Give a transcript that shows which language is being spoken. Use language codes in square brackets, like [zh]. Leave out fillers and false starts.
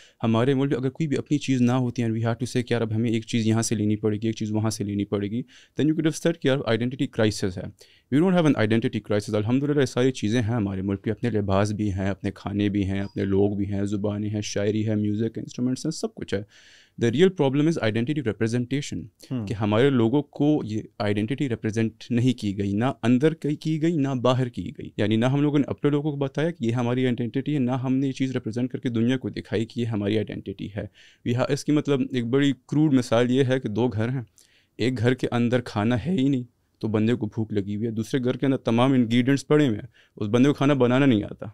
[ur] ہمارے ملک اگر کوئی بھی اپنی چیز نہ ہوتی, [en] and we have to say [ur] کہ یار اب ہمیں ایک چیز یہاں سے لینی پڑے گی, ایک چیز وہاں سے لینی پڑے گی, [en] then you could have said [ur] کہ یار آئیڈینٹی کرائسس ہے. [en] We don't have an identity crisis. [ur] الحمد للہ یہ ساری چیزیں ہیں ہمارے ملک میں, اپنے لباس بھی ہیں, اپنے کھانے بھی ہیں, اپنے لوگ بھی ہیں, زبانیں ہیں, شاعری ہے, میوزک انسٹرومنٹس ہیں, سب کچھ ہے. [en] The real problem is identity representation. [ur] کہ ہمارے لوگوں کو یہ آئیڈینٹی ریپرزینٹ نہیں کی گئی, نہ اندر کی گئی نہ باہر کی گئی. یعنی نہ ہم لوگوں نے اپنے لوگوں کو بتایا کہ یہ ہماری آئیڈینٹی ہے, نہ ہم نے یہ چیز ریپرزینٹ کر کے دنیا کو دکھائی کہ یہ ہماری آئیڈینٹی ہے. اس کی مطلب ایک بڑی کروڈ مثال یہ ہے کہ دو گھر ہیں, ایک گھر کے اندر کھانا ہے ہی نہیں تو بندے کو بھوک لگی ہوئی ہے, دوسرے گھر کے اندر تمام انگریڈینٹس پڑے ہوئے ہیں, اس بندے کو کھانا بنانا نہیں آتا.